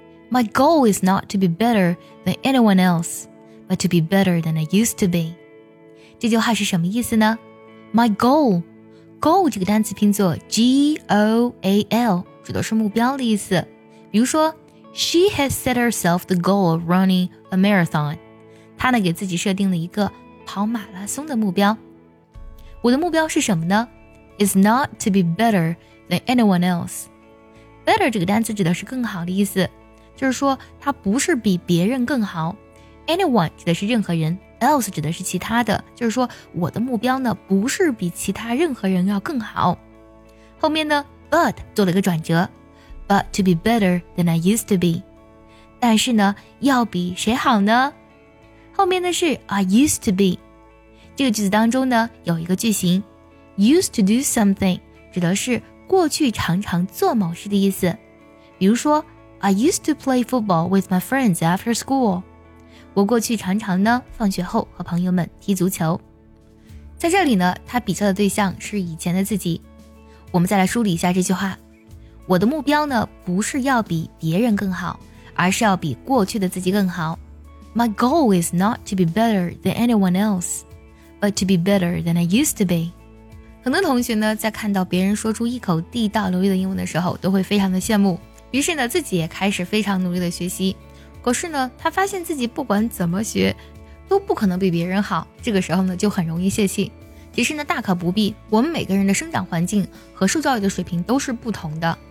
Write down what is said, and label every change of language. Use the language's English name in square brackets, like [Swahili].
[English] My goal is not to be better than anyone else, but to be better than I used to be. [Chinese] 这句话是什么意思呢？ [English] My goal, [Chinese] goal 这个单词拼作 G-O-A-L, 指的是目标的意思。比如说 [English] She has set herself the goal of running a marathon. [Chinese] 她呢给自己设定了一个跑马拉松的目标。我的目标是什么呢？ [English] It's not to be better than anyone else. [Chinese] Better 这个单词指的是更好的意思，就是说它不是比别人更好。 Anyone 指的是任何人， else 指的是其他的，就是说我的目标呢不是比其他任何人要更好。后面呢 but 做了一个转折。 [English] But to be better than I used to be. [Chinese] 但是呢要比谁好呢？后面的是 [English] I used to be. [Chinese] 这个句子当中呢有一个句型 [English] used to do something [Chinese] 指的是过去常常做某事的意思。比如说 [English] I used to play football with my friends after school. [Chinese] 我过去常常呢放学后和朋友们踢足球。在这里呢他比较的对象是以前的自己。我们再来梳理一下这句话。我的目标呢不是要比别人更好，而是要比过去的自己更好。 [English] My goal is not to be better than anyone else, but to be better than I used to be. [Chinese] 很多同学呢在看到别人说出一口地道流利的英文的时候都会非常的羡慕，于是呢自己也开始非常努力的学习。可是呢他发现自己不管怎么学都不可能比别人好，这个时候呢就很容易泄气。其实呢大可不必，我们每个人的生长环境和受教育的水平都是不同的。